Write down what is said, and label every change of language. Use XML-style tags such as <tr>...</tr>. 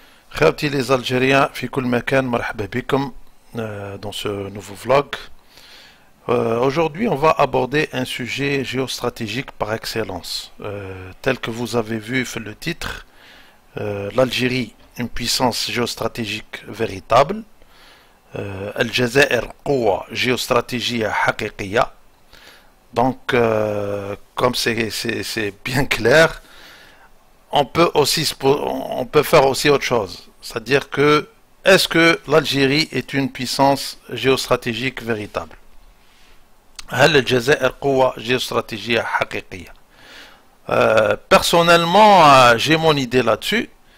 <ar>خاوتي لي زالجيريان في كل مكان، مرحبا بكم</ar> <fr>dans ce nouveau vlog. Aujourd'hui, on va aborder un sujet géostratégique par excellence. Tel que vous avez vu le titre, l'Algérie, une puissance géostratégique véritable.</fr> <ar>الجزائر قوة جيوستراتيجية حقيقية.</ar> <fr>Donc, comme c'est bien clair, on peut faire aussi autre chose. C'est-à-dire que, est-ce que l'Algérie est une puissance géostratégique véritable?</fr> <ar>هل الجزائر قوة جيوستراتيجية حقيقية؟</ar> <fr>Personnellement, j'ai mon idée là-dessus.</fr>